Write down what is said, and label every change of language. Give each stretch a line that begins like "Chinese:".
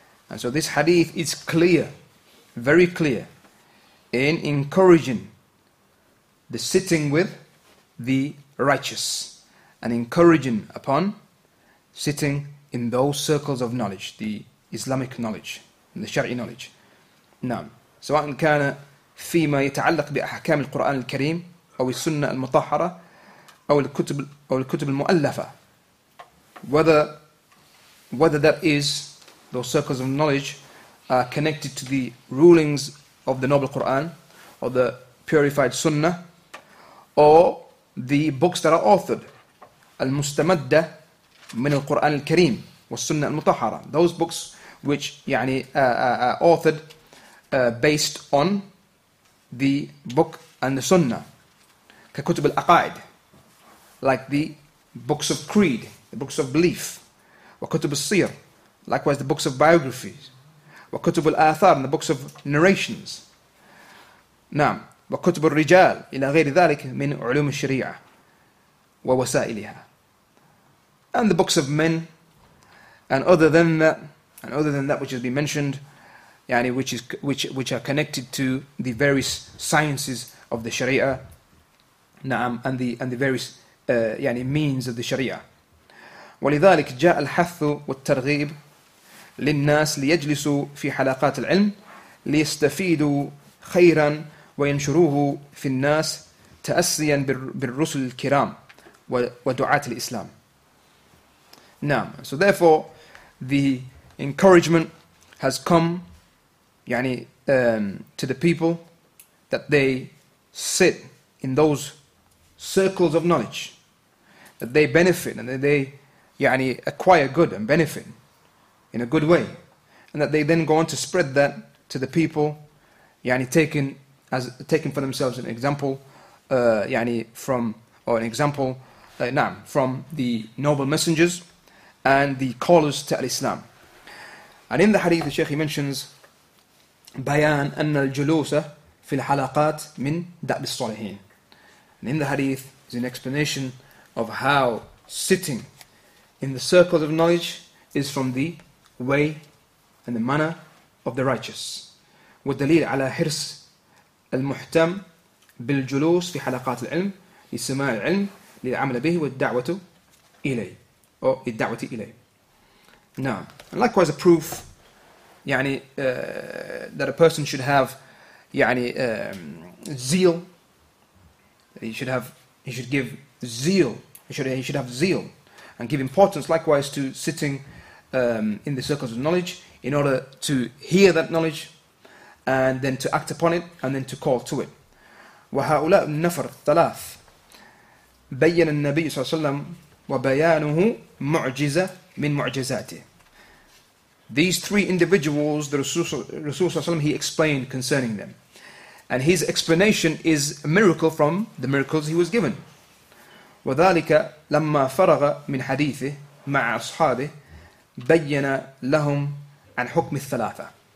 English: And so this hadith is clear, very clear, in encouraging the sitting with the righteous and encouraging upon sitting in those circles of knowledge, the Islamic knowledge and the Shari'i knowledge.
Arabic: نعم. سواء كان فيما يتعلق بأحكام القرآن الكريم أو السنة المطهرة أو الكتب المؤلفة.
English: Whether that is, those circles of knowledge are connected to the rulings of the Noble Quran or the purified Sunnah or the books that are authored.
Arabic: المستمدة من القرآن الكريم والسنة المطهرة.
English: Those books which are authored based on the book and the sunnah,
Arabic: كَكُتُبُ الْأَقَائِدِ,
English: like the books of creed, the books of belief,
Arabic: وَكُتُبُ الصِّيرِ,
English: likewise the books of biographies,
Arabic: وَكُتُبُ الْآثَارِ,
English: and the books of narrations.
Arabic: نعم, وَكُتُبُ الرِّجَالِ, إلى غير ذلك من علوم الشريعة ووسائلها,
English: and the books of men, and other than that, and other than that which has been mentioned, which are connected to the various sciences of the Sharia, na'am, and the various means of the Sharia.
Arabic: ولذلك جاء الحث والترغيب للناس ليجلسوا في حلقات العلم ليستفيدوا خيرا وينشروه في الناس تأسيا بالرسل الكرام ودعاة الإسلام. نعم.
English: So therefore the encouragement has come to the people that they sit in those circles of knowledge, that they benefit and that they acquire good and benefit in a good way, and that they then go on to spread that to the people, taking for themselves an example from the noble messengers and the callers to al-Islam. And in the hadith, the Shaykh, he mentions
Arabic: بيان أن الجلوس في الحلقات من دأب الصالحين.
English: And in the hadith is an explanation of how sitting in the circles of knowledge is from the way and the manner of the righteous.
Arabic: والدليل على حرص المهتم بالجلوس في حلقات العلم لسماع العلم للعمل به والدعوة إليه. أو الدعوة إليه. نعم.
English: And likewise a proof, يعني that a person should have يعني zeal. He should have zeal and give importance likewise to sitting in the circles of knowledge in order to hear that knowledge and then to act upon it and then to call to it.
Arabic: وهؤلاء النفر الثلاث بين النبي صلى الله عليه وسلم وبيانه معجزة من معجزاته.
English: These three individuals, the Rasulullah ﷺ, he explained concerning them. And his explanation is a miracle from the miracles he was given.
Arabic: وَذَلِكَ لَمَّا فَرَغَ مِنْ حَدِيثِهِ مَعَ أَصْحَابِهِ بَيَّنَ لَهُمْ عَنْ حُكْمِ الثَّلَاثَةِ.